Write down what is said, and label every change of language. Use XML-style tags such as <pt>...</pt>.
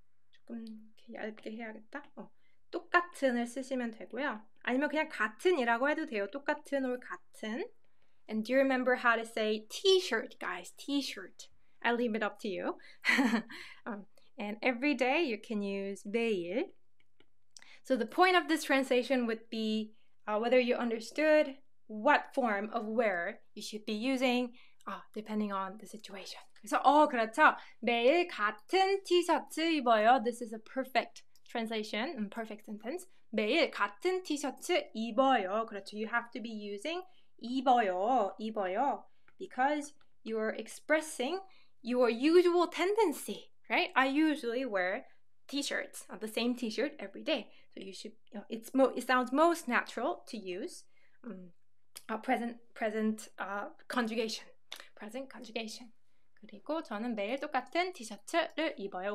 <ko>조금 이렇게 얇게 해야겠다. 똑같은을 쓰시면 되고요. 아니면 그냥 같은이라고 해도 돼요. 똑같은 or 같은.</ko> <en>And do you remember how to say t-shirt, guys? T-shirt. I leave it up to you. And every day you can use 매일. So the point of this translation would be whether you understood what form of where you should be using depending on the situation.</en> <ko>그래서 그렇죠. 매일 같은 티셔츠 입어요.</ko> <en>This is a perfect translation and perfect sentence.</en> <ko>매일 같은 티셔츠 입어요. 그렇죠.</ko> <en>You have to be using 입어요. 입어요. Because you are expressing your usual tendency. Right? I usually wear t-shirts, the same t-shirt every day. So you should, it sounds most natural to use present conjugation.</en> <ko>그리고 저는 매일 똑같은 티셔츠를 입어요.</ko>